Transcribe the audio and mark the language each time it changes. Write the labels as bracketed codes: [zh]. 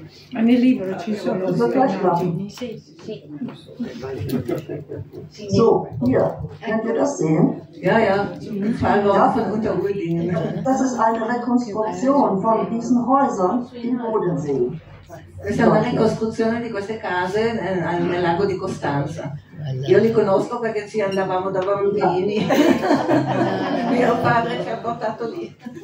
[it] Ma nel libro ci sono le immagini? Sì. [de] So, hier, könnt ihr das sehen? Ja, ich fahre auch von unter Uerdingen. Das ist eine Rekonstruktion von diesen Häusern im Bodensee. [it] Questa è una ricostruzione di queste case nel lago di Costanza. Io li conosco perché ci andavamo da bambini. Mio padre ci ha portato lì.